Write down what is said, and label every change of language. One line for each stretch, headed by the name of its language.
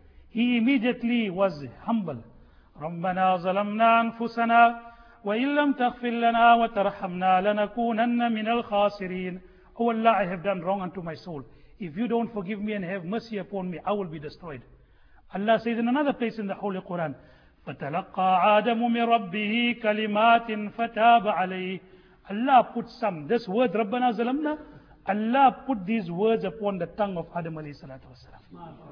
English: He immediately was humble.
Arabic: رَبَّنَا ظَلَمْنَا أَنفُسَنَا وَإِن لَمْ تَغْفِرْ لَنَا وَتَرْحَمْنَا لَنَكُونَنَّ مِنَ الْخَاسِرِينَ
English: Oh Allah, I have done wrong unto my soul. If you don't forgive me and have mercy upon me, I will be destroyed. Allah says in another place in the Holy Quran,
Arabic: فَتَلَقَّى عَادَمُ مِنْ رَبِّهِ كَلِمَاتٍ فَتَابَ عَلَيْهِ
English: Allah put this word,
Arabic: رَبَّنَا ظَلَمْنَا,
English: Allah put these words upon the tongue of Adam alayhi salatu wasalam.